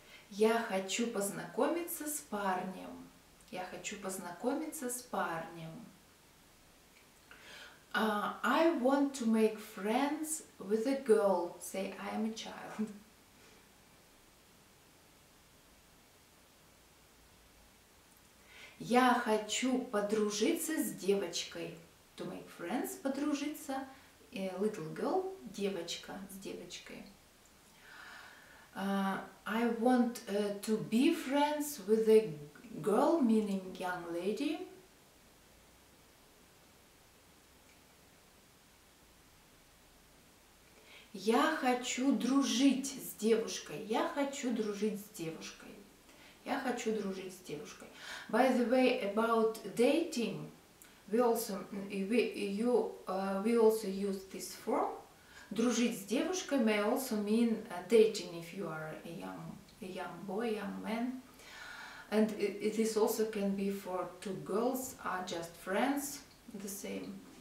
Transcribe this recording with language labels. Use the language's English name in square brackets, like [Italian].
[Russian] Я хочу познакомиться с парнем. Я хочу познакомиться с парнем. [English] I want to make friends with a girl. Say, I am a child. [Russian] Я хочу подружиться с девочкой. [English] To make friends, подружиться. A little girl, девочка, с девочкой. I want to be friends with a girl, meaning young lady. [Russian] Я хочу дружить с девушкой. Я хочу дружить с девушкой. Я хочу дружить с девушкой. [English] By the way, about dating, we also use this form. [Russian] Дружить с девушкой [English] may also mean dating if you are a young boy, young man. And this also can be for two girls are just friends, the same.